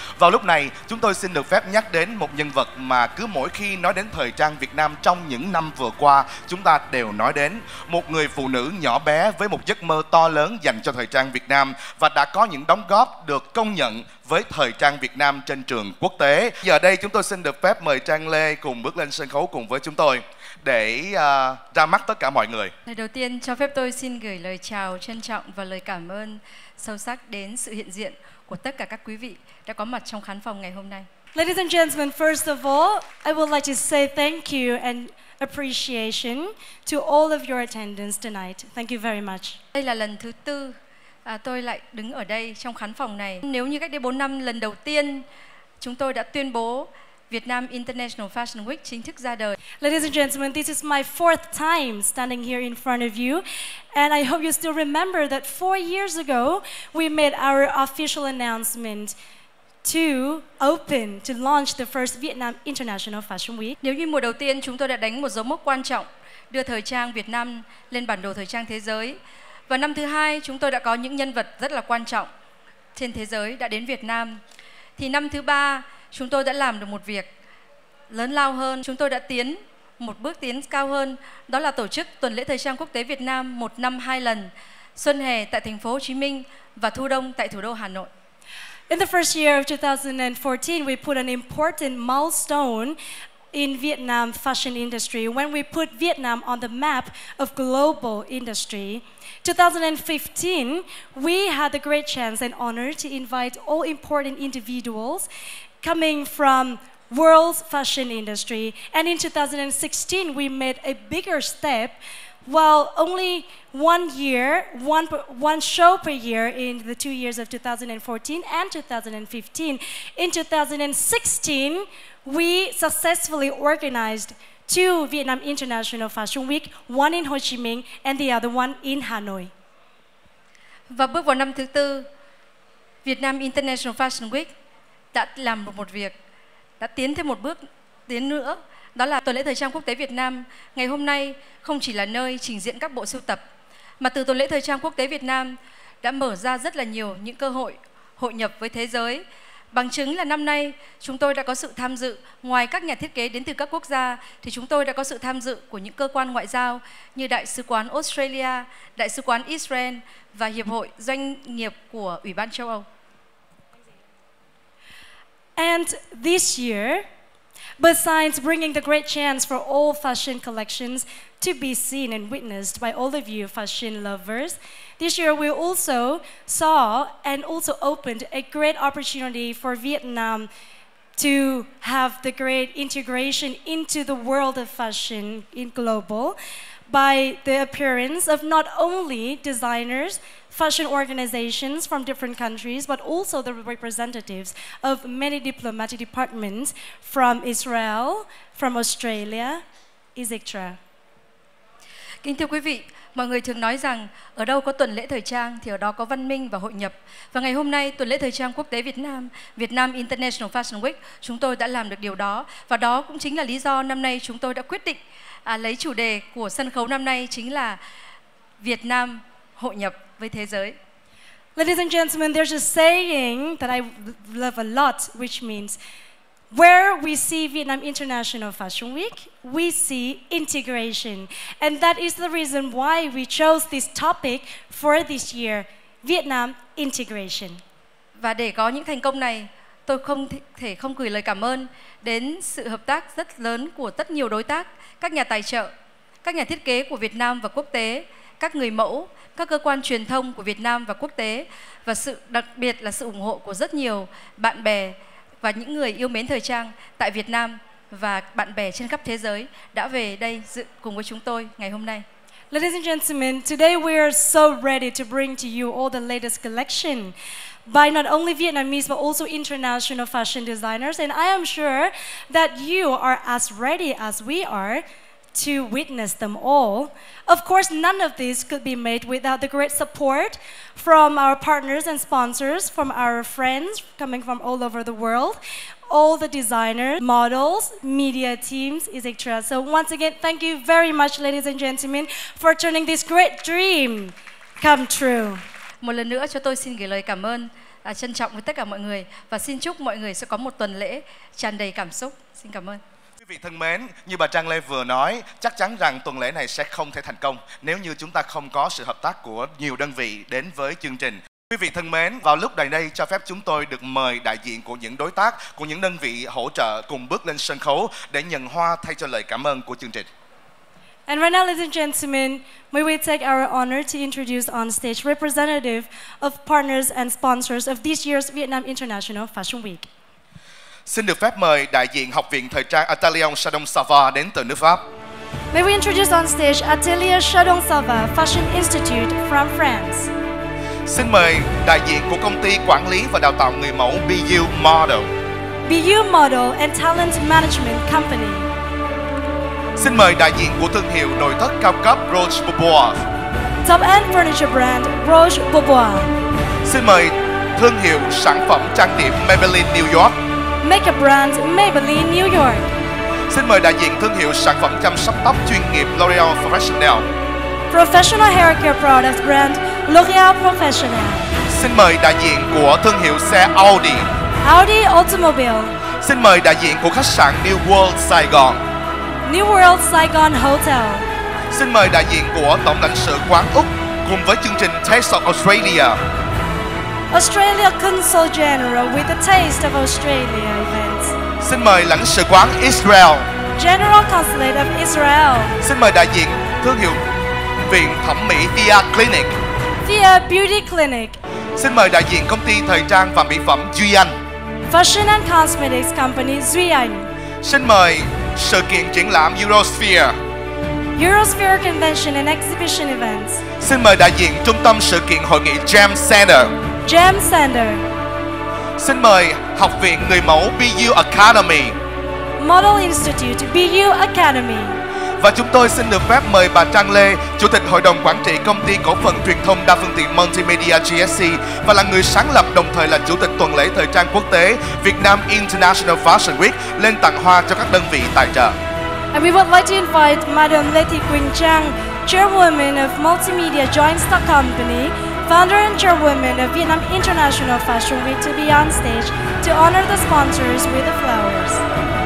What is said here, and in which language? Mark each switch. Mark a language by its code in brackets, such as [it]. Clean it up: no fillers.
[vi] Vào lúc này, chúng tôi xin được phép nhắc đến một nhân vật mà cứ mỗi khi nói đến thời trang Việt Nam trong những năm vừa qua, chúng ta đều nói đến một người phụ nữ nhỏ bé với một giấc mơ to lớn dành cho thời trang Việt Nam và đã có những đóng góp được công nhận với thời trang Việt Nam trên trường quốc tế. Giờ đây chúng tôi xin được phép mời Trang Lê cùng bước lên sân khấu cùng với chúng tôi để ra mắt tất cả mọi người. Lời đầu tiên cho phép tôi xin gửi lời chào trân trọng và lời cảm ơn sâu sắc đến sự hiện diện của tất cả các quý vị đã có mặt trong khán phòng ngày hôm nay. [en] Ladies and gentlemen, first of all, I would like to say thank you and appreciation to all of your attendance tonight. Thank you very much. [vi] Đây là lần thứ tư tôi lại đứng ở đây trong khán phòng này. Nếu như cách đây 4 năm lần đầu tiên chúng tôi đã tuyên bố Việt Nam International Fashion Week chính thức ra đời. [en] Ladies and gentlemen, this is my fourth time standing here in front of you, and I hope you still remember that 4 years ago we made our official announcement to open, to launch the first Vietnam International Fashion Week. [vi] Nếu như mùa đầu tiên chúng tôi đã đánh một dấu mốc quan trọng đưa thời trang Việt Nam lên bản đồ thời trang thế giới. Và năm thứ hai, chúng tôi đã có những nhân vật rất là quan trọng trên thế giới đã đến Việt Nam. Thì năm thứ ba, chúng tôi đã làm được một việc lớn lao hơn. Chúng tôi đã tiến một bước tiến cao hơn, đó là tổ chức Tuần lễ Thời trang Quốc tế Việt Nam một năm hai lần, xuân hè tại thành phố Hồ Chí Minh và thu đông tại thủ đô Hà Nội. [en] In the first year of 2014, we put an important milestone in Vietnam fashion industry when we put Vietnam on the map of global industry. 2015, we had the great chance and honor to invite all important individuals coming from world's fashion industry. And in 2016, we made a bigger step. While only one year, one show per year in the 2 years of 2014 and 2015, in 2016, we successfully organized 2 Vietnam International Fashion Week, one in Ho Chi Minh and the other one in Hanoi. [vi] Và bước vào năm thứ tư, Vietnam International Fashion Week đã làm một việc, đã tiến thêm một bước tiến nữa, đó là Tuần lễ Thời trang Quốc tế Việt Nam ngày hôm nay không chỉ là nơi trình diễn các bộ sưu tập, mà từ Tuần lễ Thời trang Quốc tế Việt Nam đã mở ra rất là nhiều những cơ hội hội nhập với thế giới. Bằng chứng là năm nay chúng tôi đã có sự tham dự, ngoài các nhà thiết kế đến từ các quốc gia thì chúng tôi đã có sự tham dự của những cơ quan ngoại giao như Đại sứ quán Australia, Đại sứ quán Israel và Hiệp hội Doanh nghiệp của Ủy ban châu Âu. [en] And this year, besides bringing the great chance for all fashion collections to be seen and witnessed by all of you fashion lovers, this year we also saw and also opened a great opportunity for Vietnam to have the great integration into the world of fashion in global by the appearance of not only designers, fashion organizations from different countries, but also the representatives of many diplomatic departments from Israel, from Australia, etc. [vi] Kính thưa quý vị, mọi người thường nói rằng ở đâu có tuần lễ thời trang thì ở đó có văn minh và hội nhập. Và ngày hôm nay, Tuần lễ Thời trang Quốc tế Việt Nam, Việt Nam International Fashion Week, chúng tôi đã làm được điều đó. Và đó cũng chính là lý do năm nay chúng tôi đã quyết định lấy chủ đề của sân khấu năm nay chính là Việt Nam hội nhập với thế giới. [en] Ladies and gentlemen, there's a saying that I love a lot, which means where we see Vietnam International Fashion Week, we see integration. And that is the reason why we chose this topic for this year, Vietnam integration. [vi] Và để có những thành công này, tôi không thể không gửi lời cảm ơn đến sự hợp tác rất lớn của rất nhiều đối tác, các nhà tài trợ, các nhà thiết kế của Việt Nam và quốc tế, các người mẫu, các cơ quan truyền thông của Việt Nam và quốc tế, và sự đặc biệt là sự ủng hộ của rất nhiều bạn bè, và những người yêu mến thời trang tại Việt Nam và bạn bè trên khắp thế giới đã về đây dự cùng với chúng tôi ngày hôm nay. [en] Ladies and gentlemen, today we are so ready to bring to you all the latest collection by not only Vietnamese but also international fashion designers, and I am sure that you are as ready as we are to witness them all. Of course, none of this could be made without the great support from our partners and sponsors, from our friends coming from all over the world, all the designers, models, media teams, etc. So once again, thank you very much, ladies and gentlemen, for turning this great dream come true. [vi] Một lần nữa, cho tôi xin gửi lời cảm ơn trân trọng với tất cả mọi người và xin chúc mọi người sẽ có một tuần lễ tràn đầy cảm xúc. Xin cảm ơn. Quý vị thân mến, như bà Trang Lê vừa nói, chắc chắn rằng tuần lễ này sẽ không thể thành công nếu như chúng ta không có sự hợp tác của nhiều đơn vị đến với chương trình. Quý vị thân mến, vào lúc này đây cho phép chúng tôi được mời đại diện của những đối tác, của những đơn vị hỗ trợ cùng bước lên sân khấu để nhận hoa thay cho lời cảm ơn của chương trình. [en] And right now, ladies and gentlemen, may we take our honor to introduce on stage representative of partners and sponsors of this year's Vietnam International Fashion Week. [vi] Xin được phép mời đại diện Học viện Thời trang Atelier Chardon Sava đến từ nước Pháp. [en] May we introduce on stage Atelier Chardon Sava Fashion Institute from France. [vi] Xin mời đại diện của công ty quản lý và đào tạo người mẫu BU Model. [en] BU Model and Talent Management Company. [vi] Xin mời đại diện của thương hiệu nội thất cao cấp Roche Bobois. [en] Top end furniture brand Roche Bobois. [vi] Xin mời thương hiệu sản phẩm trang điểm Maybelline New York. [en] Makeup brand Maybelline New York. [vi] Xin mời đại diện thương hiệu sản phẩm chăm sóc tóc chuyên nghiệp L'Oréal Professionnel. [en] Professional hair care product brand L'Oréal Professionnel. [vi] Xin mời đại diện của thương hiệu xe Audi. [en] Audi Automobile. [vi] Xin mời đại diện của khách sạn New World Saigon. [en] New World Saigon Hotel. [vi] Xin mời đại diện của tổng lãnh sự quán Úc cùng với chương trình Taste of Australia. [en] Australia Consul General with the Taste of Australia event. [vi] Xin mời lãnh sự quán Israel. [en] General Consulate of Israel. [vi] Xin mời đại diện thương hiệu viện thẩm mỹ Via Clinic. [en] Via Beauty Clinic. [vi] Xin mời đại diện công ty thời trang và mỹ phẩm Duy Anh. [en] Fashion and Cosmetics Company Duy Anh. [vi] Xin mời sự kiện triển lãm Eurosphere. [en] Eurosphere Convention and Exhibition Events. [vi] Xin mời đại diện trung tâm sự kiện hội nghị Jam Center. [en] Jam Center. [vi] Xin mời Học viện Người Mẫu BU Academy. [en] Model Institute BU Academy. [vi] Và chúng tôi xin được phép mời bà Trang Lê, Chủ tịch Hội đồng Quản trị Công ty Cổ phần Truyền thông Đa phương tiện Multimedia GSC và là người sáng lập đồng thời là Chủ tịch Tuần lễ Thời trang Quốc tế Việt Nam International Fashion Week lên tặng hoa cho các đơn vị tài trợ. [en] And we would like to invite Madam Letty Quỳnh Trang, Chairwoman of Multimedia Joint Stock Company, Founder and Chairwoman of Vietnam International Fashion Week to be on stage to honor the sponsors with the flowers.